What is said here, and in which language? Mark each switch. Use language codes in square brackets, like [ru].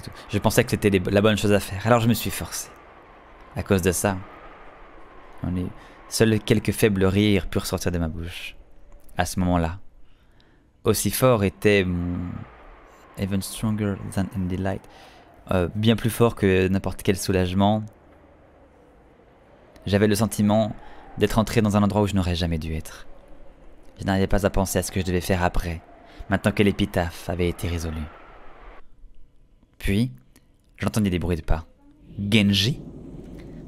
[fr] Je pensais que c'était la bonne chose à faire, alors je me suis forcé. À cause de ça, seuls quelques faibles rires purent sortir de ma bouche. À ce moment-là, aussi fort était mon... [en] Even stronger than in delight. [fr] Bien plus fort que n'importe quel soulagement. J'avais le sentiment d'être entré dans un endroit où je n'aurais jamais dû être. Je n'arrivais pas à penser à ce que je devais faire après, maintenant que l'épitaphe avait été résolue. Puis, j'entendis des bruits de pas. Genji ?